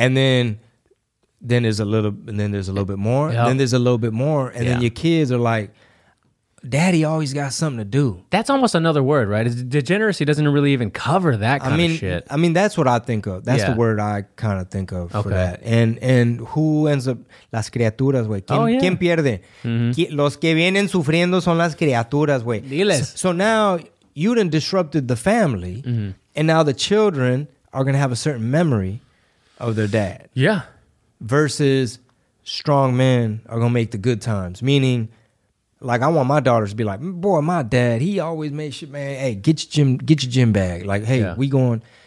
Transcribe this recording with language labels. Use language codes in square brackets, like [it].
[en] And then there's a little bit more. Yep. Then there's a little bit more. And then your kids are like, Daddy always got something to do. That's almost another word, right? Degeneracy doesn't really even cover that kind of shit. I mean, that's what I think of. That's the word I kind of think of for that. And who ends up... [es] Las criaturas, güey. ¿Quién pierde? Mm-hmm. Los que vienen sufriendo son las criaturas, güey. Diles. [en] So now you done disrupted the family, and now the children are going to have a certain memory of their dad. Yeah. Versus strong men are going to make the good times, meaning... Like, I want my daughters to be like, boy, my dad, he always made shit, man. Hey, get your gym bag. Like, hey, we going.